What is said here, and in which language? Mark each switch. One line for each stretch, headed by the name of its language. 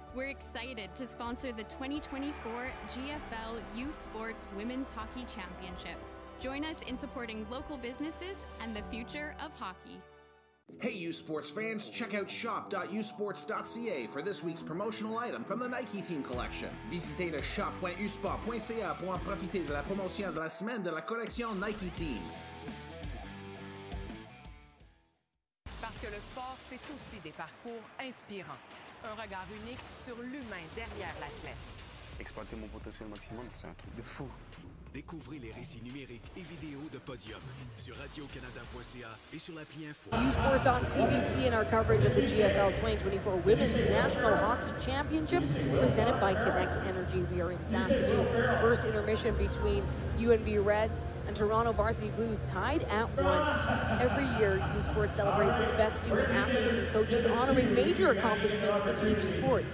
English: We're excited to sponsor the 2024 GFL U Sports Women's Hockey Championship. Join us in supporting local businesses and the future of hockey. Hey, U Sports fans, check out shop.usports.ca for this week's promotional item from the Nike Team Collection.
French: Visitez le shop.usports.ca pour en profiter de la promotion de la semaine de la collection Nike Team. Parce que le sport, c'est aussi des parcours inspirants. Un regard unique sur l'humain derrière l'athlète. Exploiter mon potentiel maximum, c'est un truc de fou. Découvrez les récits numériques et vidéos de Podium sur radiocanada.ca et sur l'appli Info.
English: U Sports on CBC in our coverage of the GFL 2024 Women's National Hockey Championship presented by Connect Energy. We are in Saskatoon. First intermission between UNB Reds and Toronto Varsity Blues tied at one. Every year, U Sports celebrates its best student athletes and coaches, honoring major accomplishments in each sport.